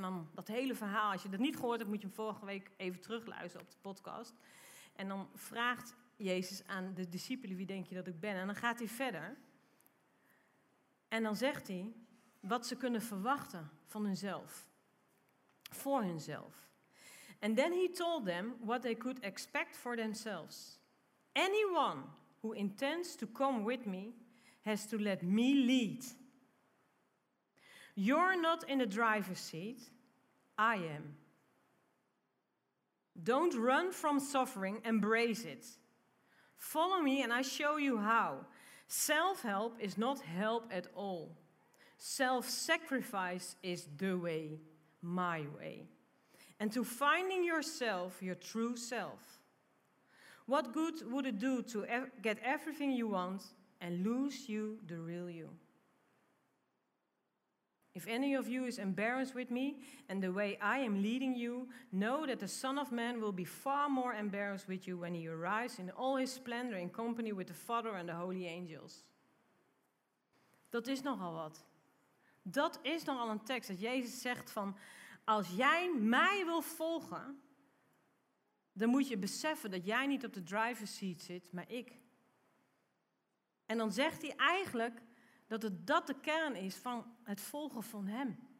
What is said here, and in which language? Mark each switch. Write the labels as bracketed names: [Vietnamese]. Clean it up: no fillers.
[Dutch] En dan dat hele verhaal, als je dat niet gehoord hebt, moet je hem vorige week even terugluisteren op de podcast. En dan vraagt Jezus aan de discipelen, wie denk je dat ik ben? En dan gaat hij verder. En dan zegt hij, wat ze kunnen verwachten van hunzelf, voor hunzelf. [English] And then he told them what they could expect for themselves. Anyone who intends to come with me has to let me lead. You're not in the driver's seat. I am. Don't run from suffering. Embrace it. Follow me and I show you how. Self-help is not help at all. Self-sacrifice is the way, my way. And to finding yourself, your true self. What good would it do to get everything you want and lose you, the real you? If any of you is embarrassed with me and the way I am leading you, know that the Son of Man will be far more embarrassed with you when he arrives in all his splendor in company with the Father and the holy angels. [Dutch] Dat is nogal wat. Dat is nogal een tekst dat Jezus zegt van, als jij mij wil volgen, dan moet je beseffen dat jij niet op de driver's seat zit, maar ik. En dan zegt hij eigenlijk dat het dat de kern is van het volgen van hem.